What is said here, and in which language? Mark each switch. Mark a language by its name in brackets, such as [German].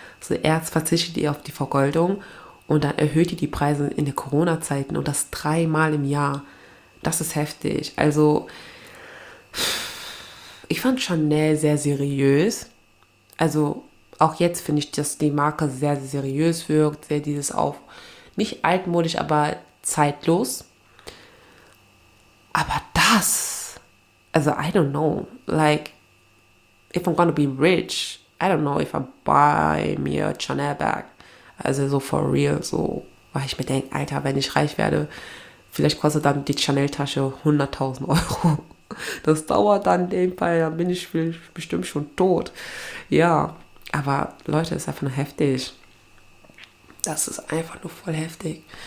[German] So, erst verzichtet ihr auf die Vergoldung und dann erhöht ihr die Preise in den Corona-Zeiten, und das dreimal im Jahr. Das ist heftig. Also ich fand Chanel sehr seriös. Also auch jetzt finde ich, dass die Marke sehr, sehr seriös wirkt, sehr dieses auf, nicht altmodisch, aber zeitlos. Aber das, also [English] I don't know, like, if I'm gonna be rich, I don't know if I buy me a Chanel bag. [German] Also [English] so for real, [German] so, weil ich mir denke, Alter, wenn ich reich werde, vielleicht kostet dann die Chanel-Tasche 100.000 Euro. Das dauert dann in dem Fall, dann bin ich bestimmt schon tot. Ja, aber Leute, das ist einfach nur heftig. Das ist einfach nur voll heftig.